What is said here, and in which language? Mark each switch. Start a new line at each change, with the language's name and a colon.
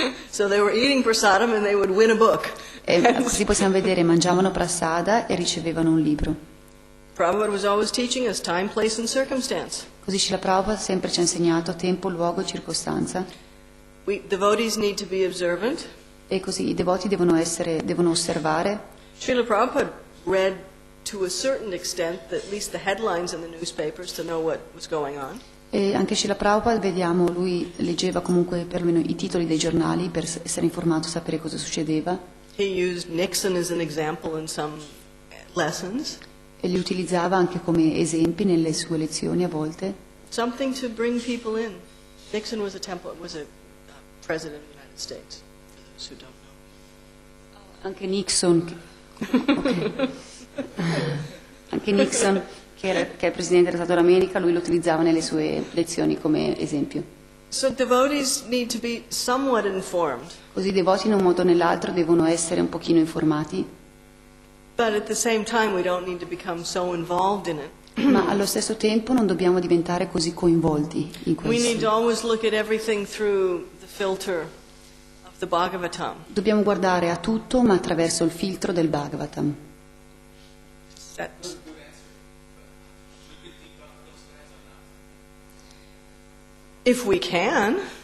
English: So they were eating prasadam and they would win a book.
Italian: E così possiamo vedere, mangiavano prasada e ricevevano un libro.
English: Prabhupada was always teaching us time, place and circumstance.
Italian: Così Srila Prabhupada sempre ci ha insegnato tempo, luogo e circostanza.
English: We devotees need to be observant.
Italian: E così i devoti devono osservare.
English: Srila Prabhupada read to a certain extent at least the headlines in the newspapers to know what was going on.
Italian: E anche Srila Prabhupada vediamo lui leggeva comunque perlomeno i titoli dei giornali per essere informato, sapere cosa succedeva.
English: He used Nixon as an example in some lessons.
Italian: E li utilizzava anche come esempi nelle sue lezioni a volte.
English: Something to bring people in. Nixon was a temple, was a president of the United States, for those who don't know.
Italian: Anche Nixon. Okay. Anche Nixon, che è presidente dello Stato d'America, lui lo utilizzava nelle sue lezioni come esempio.
English: So devotees need to be somewhat informed.
Italian: Così i devoti in un modo o nell'altro devono essere un pochino informati.
English: But at the same time we don't need to become so involved in it.
Italian: Ma allo stesso tempo non dobbiamo diventare così coinvolti in questo.
English: We need to always look at everything through the filter of the Bhagavatam.
Italian: Dobbiamo guardare a tutto ma attraverso il filtro del Bhagavatam.
English: If we can.